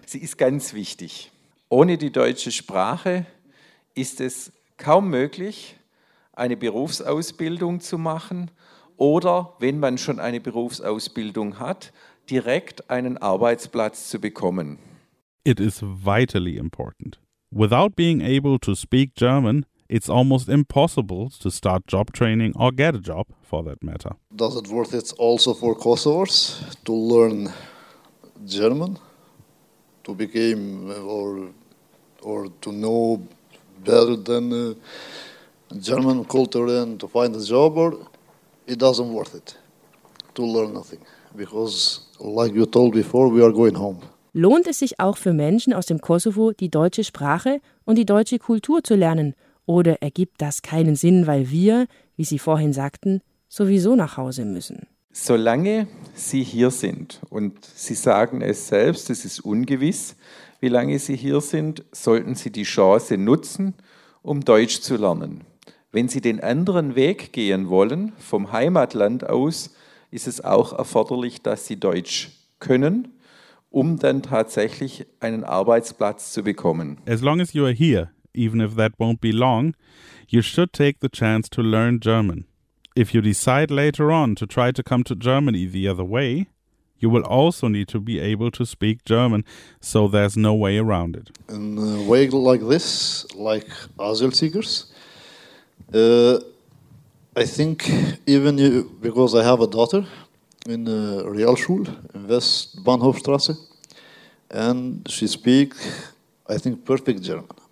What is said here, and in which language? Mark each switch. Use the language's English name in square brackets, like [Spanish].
[German] Sie ist ganz wichtig. Ohne die deutsche Sprache ist es kaum möglich, eine Berufsausbildung zu machen oder, wenn man schon eine Berufsausbildung hat, direkt einen Arbeitsplatz zu bekommen. [English] It is vitally important. Without being able to speak German, it's almost impossible to start job training or get a job, for that matter. Does it worth it also for Kosovars to learn German, to become or to know better than German culture and to find a job, or it doesn't worth it to learn nothing? Because, like you told before, we are going home. [German] Lohnt es sich auch für Menschen aus dem Kosovo, die deutsche Sprache und die deutsche Kultur zu lernen? Oder ergibt das keinen Sinn, weil wir, wie Sie vorhin sagten, sowieso nach Hause müssen? Solange Sie hier sind, und Sie sagen es selbst, es ist ungewiss, wie lange Sie hier sind, sollten Sie die Chance nutzen, um Deutsch zu lernen. Wenn Sie den anderen Weg gehen wollen, vom Heimatland aus, ist es auch erforderlich, dass Sie Deutsch können, um dann tatsächlich einen Arbeitsplatz zu bekommen. [English] As long as you are here, even if that won't be long, you should take the chance to learn German. If you decide later on to try to come to Germany the other way, you will also need to be able to speak German, so there's no way around it. In a way like this, like asyl seekers, I think even you, because I have a daughter, in the Realschule, in West Bahnhofstrasse, and she speaks, I think, perfect German.